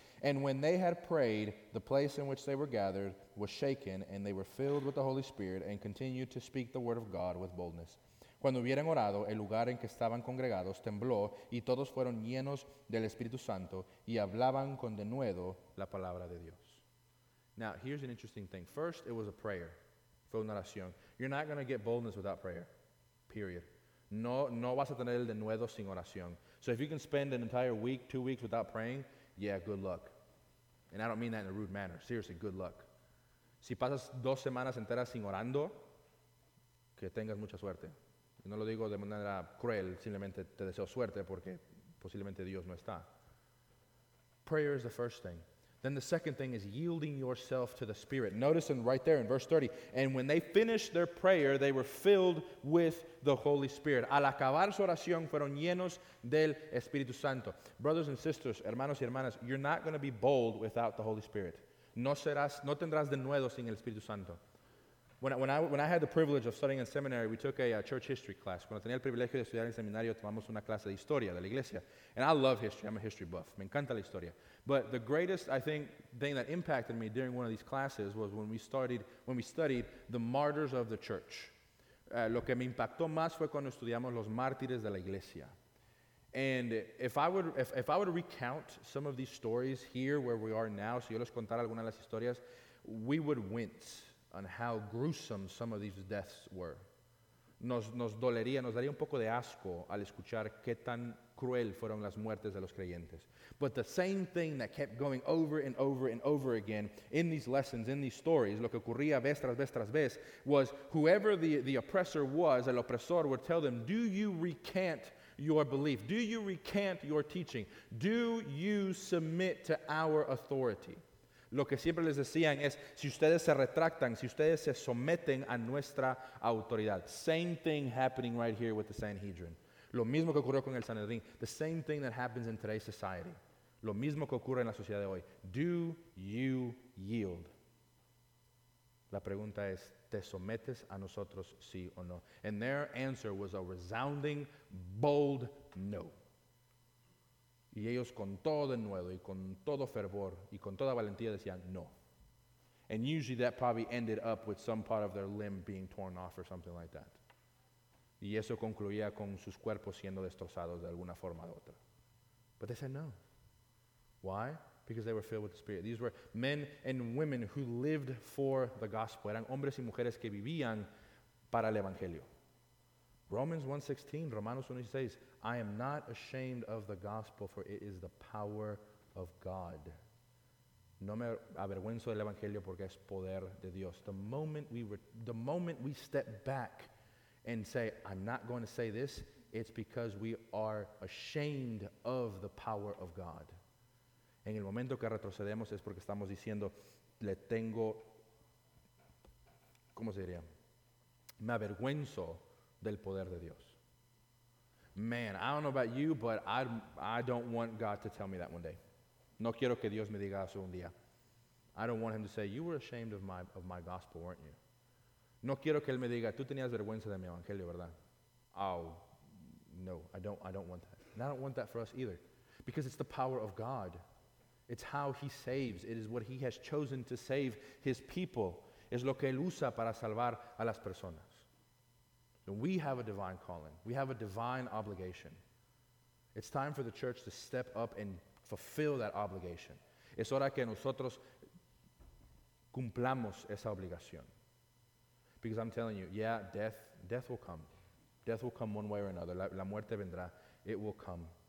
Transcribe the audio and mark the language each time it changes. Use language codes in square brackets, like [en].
[en] And when they had prayed, the place in which they were gathered was shaken, and they were filled with the Holy Spirit and continued to speak the word of God with boldness. [es] Cuando hubieran orado, el lugar en que estaban congregados tembló, y todos fueron llenos del Espíritu Santo y hablaban con denuedo la palabra de Dios. [en] Now, here's an interesting thing. First, it was a prayer. [es] Fue una oración. [en] You're not going to get boldness without prayer. Period. [es] No vas a tener el denuedo sin oración. [en] So if you can spend an entire week, 2 weeks without praying, yeah, good luck. And I don't mean that in a rude manner. Seriously, good luck. [es] Si pasas 2 semanas enteras sin orando, que tengas mucha suerte. Y no lo digo de manera cruel, simplemente te deseo suerte porque posiblemente Dios no está. [en] Prayer is the first thing. Then the second thing is yielding yourself to the Spirit. Notice right there in verse 30, and when they finished their prayer, they were filled with the Holy Spirit. [es] Al acabar su oración, fueron llenos del Espíritu Santo. [en] Brothers and sisters, [es] hermanos y hermanas, [en] you're not going to be bold without the Holy Spirit. [es] No tendrás denuedo sin el Espíritu Santo. [en] When I had the privilege of studying in seminary, we took a church history class. [es] Cuando tenía el privilegio de estudiar en seminario, tomamos una clase de historia de la iglesia. [en] And I love history. I'm a history buff. [es] Me encanta la historia. [en] But the greatest, I think, thing that impacted me during one of these classes was when we studied the martyrs of the church. [es] Lo que me impactó más fue cuando estudiamos los mártires de la iglesia. [en] And if I would recount some of these stories here where we are now, [es] si yo les contara alguna de las historias, [en] we would wince on how gruesome some of these deaths were. [es] Nos dolería, nos daría un poco de asco al escuchar qué tan cruel fueron las muertes de los creyentes. [en] But the same thing that kept going over and over and over again in these lessons, in these stories, [es] lo que ocurría vez tras vez [en] tras vez, was whoever the oppressor was, [es] el opresor, [en] would tell them, do you recant your belief? Do you recant your teaching? Do you submit to our authority? [es] Lo que siempre les decían es, si ustedes se retractan, si ustedes se someten a nuestra autoridad. [en] Same thing happening right here with the Sanhedrin. [es] Lo mismo que ocurrió con el Sanhedrin. [en] The same thing that happens in today's society. [es] Lo mismo que ocurre en la sociedad de hoy. [en] Do you yield? [es] La pregunta es, ¿te sometes a nosotros sí o no? [en] And their answer was a resounding, bold no. [es] Y ellos con todo denuedo y con todo fervor y con toda valentía decían no. [en] And usually that probably ended up with some part of their limb being torn off or something like that. [es] Y eso concluía con sus cuerpos siendo destrozados de alguna forma u otra. [en] But they said no. Why? Because they were filled with the Spirit. These were men and women who lived for the gospel. [es] Eran hombres y mujeres que vivían para el evangelio. [en] Romanos 1:16, I am not ashamed of the gospel, for it is the power of God. [es] No me avergüenzo del evangelio porque es poder de Dios. [en] The moment we step back and say, I'm not going to say this, it's because we are ashamed of the power of God. [es] En el momento que retrocedemos es porque estamos diciendo, le tengo, ¿cómo se diría? Me avergüenzo del poder de Dios. [en] Man, I don't know about you, but I don't want God to tell me that one day. [es] No quiero que Dios me diga eso un día. [en] I don't want him to say, you were ashamed of my gospel, weren't you? [es] No quiero que él me diga, tú tenías vergüenza de mi evangelio, ¿verdad? [en] Oh, no, I don't want that. And I don't want that for us either. Because it's the power of God. It's how he saves. It is what he has chosen to save his people. [es] Es lo que él usa para salvar a las personas. [en] We have a divine calling. We have a divine obligation. It's time for the church to step up and fulfill that obligation. [es] Es hora que nosotros cumplamos esa obligación. [en] Because I'm telling you, yeah, death will come. Death will come one way or another. [es] La muerte vendrá. [en] It will come.